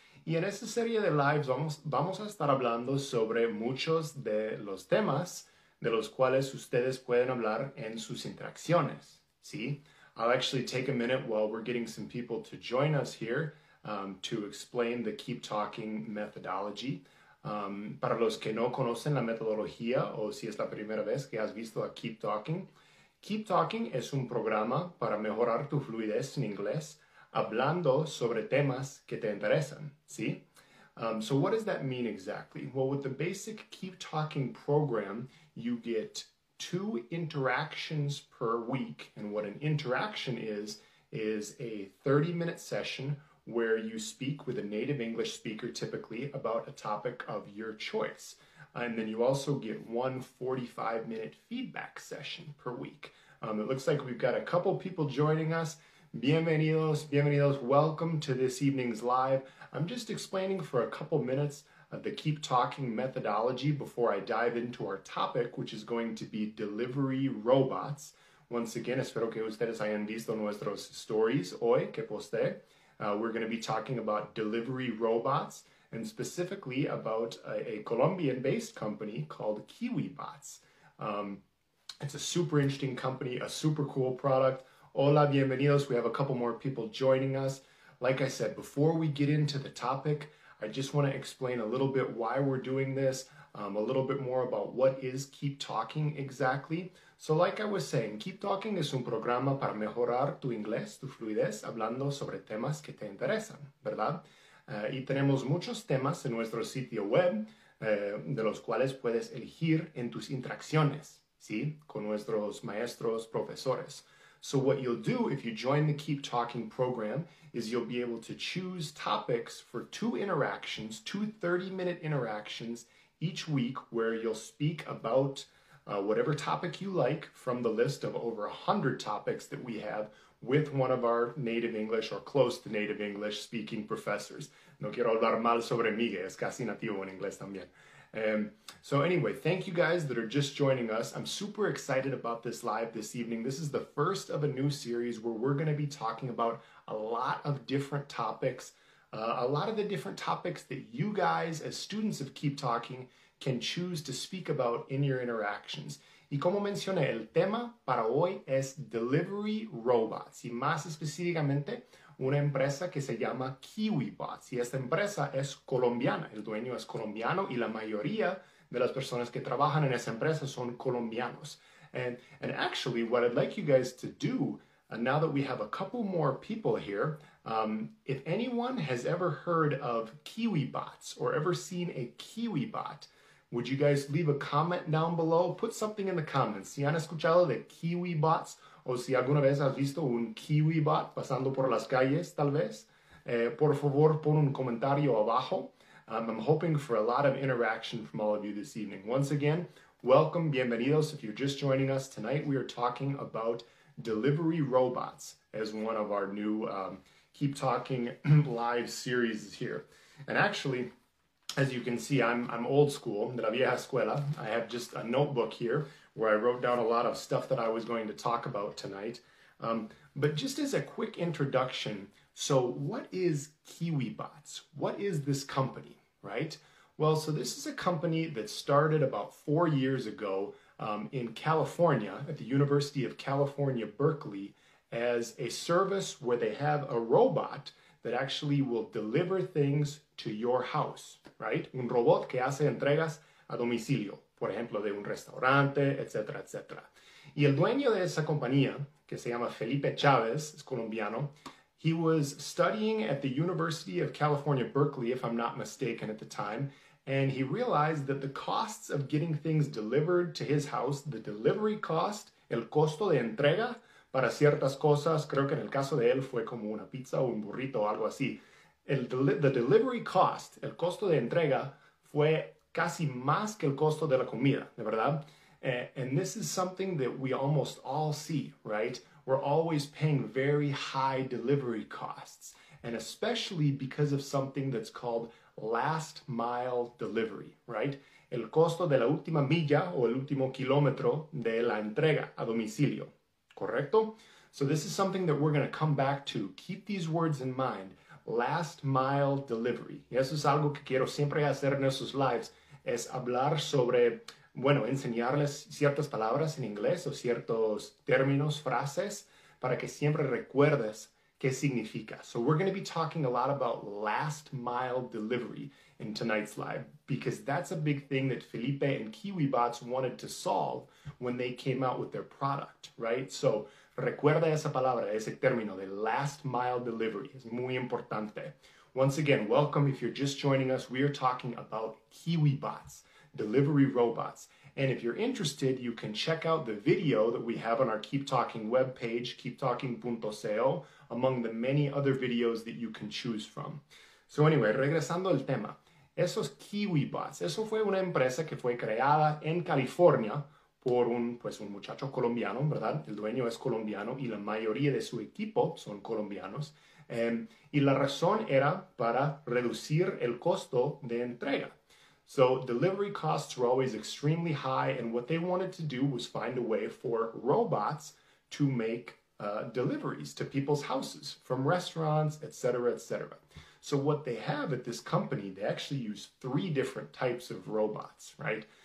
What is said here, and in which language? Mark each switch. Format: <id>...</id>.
<es>Y en esta serie de lives vamos a estar hablando sobre muchos de los temas de los cuales ustedes pueden hablar en sus interacciones. ¿Sí?</es> <en>I'll actually take a minute while we're getting some people to join us here to explain the Keep Talking methodology.</en> <es>Para los que no conocen la metodología o si es la primera vez que has visto a Keep Talking, Keep Talking es un programa para mejorar tu fluidez en inglés hablando sobre temas que te interesan, ¿sí?</es> <en>So what does that mean exactly? Well, with the basic Keep Talking program, you get 2 interactions per week. And what an interaction is a 30-minute session where you speak with a native English speaker, typically about a topic of your choice. And then you also get 1 45-minute feedback session per week. It looks like we've got a couple people joining us.</en> <es>Bienvenidos, bienvenidos,</es> <en>welcome to this evening's live. I'm just explaining for a couple minutes of the Keep Talking methodology before I dive into our topic, which is going to be delivery robots. Once again,</en> <es>espero que ustedes hayan visto nuestros stories hoy que posté.</es> <en>We're going to be talking about delivery robots and specifically about a Colombian-based company called KiwiBots. It's a super interesting company, a super cool product.</en> <es>Hola, bienvenidos.</es> <en>We have a couple more people joining us. Like I said, before we get into the topic, I just want to explain a little bit why we're doing this, a little bit more about what is Keep Talking exactly. So like I was saying,</en> <es>Keep Talking es un programa para mejorar tu inglés, tu fluidez, hablando sobre temas que te interesan, ¿verdad? Y tenemos muchos temas en nuestro sitio web de los cuales puedes elegir en tus interacciones, ¿sí? Con nuestros maestros, profesores.</es> <en>So what you'll do if you join the Keep Talking program is you'll be able to choose topics for 2 interactions, 2 30-minute interactions each week where you'll speak about whatever topic you like from the list of over 100 topics that we have with one of our native English or close to native English speaking professors.</en> <es>No quiero hablar mal sobre Miguel, es casi nativo en inglés también.</es> <en>So anyway, thank you guys that are just joining us. I'm super excited about this live this evening. This is the first of a new series where we're going to be talking about a lot of different topics, a lot of the different topics that you guys as students of Keep Talking can choose to speak about in your interactions.</en> <es>Y como mencioné, el tema para hoy es delivery robots. Y más específicamente, una empresa que se llama KiwiBots. Y esta empresa es colombiana. El dueño es colombiano y la mayoría de las personas que trabajan en esa empresa son colombianos.</es> <en>And actually, what I'd like you guys to do, now that we have a couple more people here, if anyone has ever heard of KiwiBots or ever seen a KiwiBot, would you guys leave a comment down below? Put something in the comments.</en> <es>Si han escuchado de KiwiBots o si alguna vez has visto un KiwiBot pasando por las calles, tal vez, por favor, pon un comentario abajo.</es> <en>I'm hoping for a lot of interaction from all of you this evening. Once again, welcome,</en> <es>bienvenidos.</es> <en>If you're just joining us tonight, we are talking about delivery robots as one of our new Keep Talking live series here. And actually, as you can see, I'm old school,</en> <es>de la vieja escuela.</es> <en>I have just a notebook here where I wrote down a lot of stuff that I was going to talk about tonight. But just as a quick introduction, so what is KiwiBots? What is this company, right? Well, so this is a company that started about 4 years ago in California, at the University of California, Berkeley, as a service where they have a robot that actually will deliver things to your house, right?</en> <es>Un robot que hace entregas a domicilio, por ejemplo, de un restaurante, etc., etc. Y el dueño de esa compañía, que se llama Felipe Chávez, es colombiano,</es> <en>he was studying at the University of California, Berkeley, if I'm not mistaken, at the time, and he realized that the costs of getting things delivered to his house, the delivery cost,</en> <es>el costo de entrega para ciertas cosas, creo que en el caso de él fue como una pizza o un burrito o algo así,</es> <en>the delivery cost,</en> <es>el costo de entrega, fue casi más que el costo de la comida, ¿de verdad?</es> <en>And this is something that we almost all see, right? We're always paying very high delivery costs, and especially because of something that's called last mile delivery, right?</en> <es>El costo de la última milla o el último kilómetro de la entrega a domicilio, ¿correcto?</es> <en>So this is something that we're going to come back to. Keep these words in mind. Last mile delivery.</en> <es>Y eso es algo que quiero siempre hacer en esos lives, es hablar sobre, bueno, enseñarles ciertas palabras en inglés o ciertos términos, frases, para que siempre recuerdes qué significa.</es> <en>So we're going to be talking a lot about last mile delivery in tonight's live, because that's a big thing that Felipe and KiwiBots wanted to solve when they came out with their product, right?</en> <es>So recuerda esa palabra, ese término de last mile delivery. Es muy importante.</es> <en>Once again, welcome. If you're just joining us, we are talking about KiwiBots, delivery robots. And if you're interested, you can check out the video that we have on our Keep Talking webpage, keeptalking.co, among the many other videos that you can choose from. So anyway,</en> <es>regresando al tema, esos KiwiBots, eso fue una empresa que fue creada en California por un muchacho colombiano, ¿verdad? El dueño es colombiano y la mayoría de su equipo son colombianos. Y la razón era para reducir el costo de entrega.</es> <en>So delivery costs were always extremely high, and what they wanted to do was find a way for robots to make deliveries to people's houses from restaurants, etc., etc. So what they have at this company, they actually use three different types of robots, right?</en>